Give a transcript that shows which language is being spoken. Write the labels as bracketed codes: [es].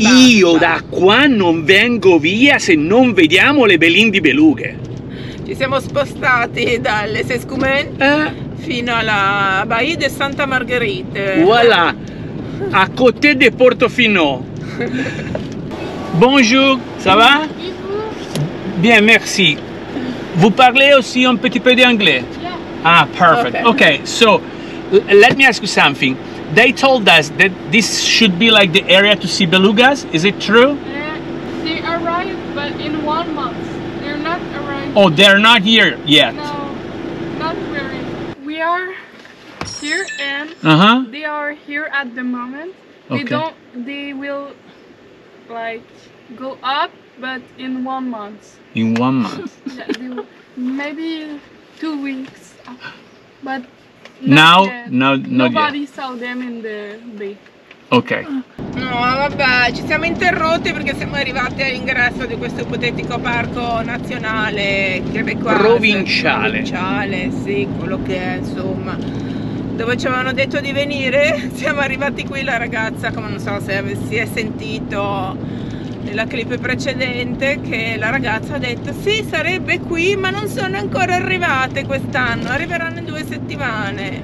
[it] io da qua non vengo via se non vediamo le Belin di beluga. Ci siamo spostati dalle Sescumen fino alla Baia de Santa Marguerite. [fr] Voilà, a côté de Portofino. Bonjour, ça va? Bien, merci. Vous parlez aussi un petit peu d'anglais? [en] Ah, perfect. Okay, so let me ask you something. They told us that this should be like the area to see belugas. Is it true? They arrived, but in 1 month. They're not arrived. Oh, they're not here yet. No, not really. We are here and they are here at the moment. They don't. They will like go up, but in 1 month. In 1 month. Yeah, maybe 2 weeks, but. Now, nobody saw them in the bay. Okay. [it] No, vabbè, ci siamo interrotti perché siamo arrivati all'ingresso di questo ipotetico parco nazionale quebecoise. Provinciale. Provinciale, sì, quello che è, insomma. Dove ci avevano detto di venire, siamo arrivati qui, la ragazza, come non so se si è sentito nella clip precedente, che la ragazza ha detto sì, sarebbe qui, ma non sono ancora arrivate quest'anno, arriveranno in 2 settimane.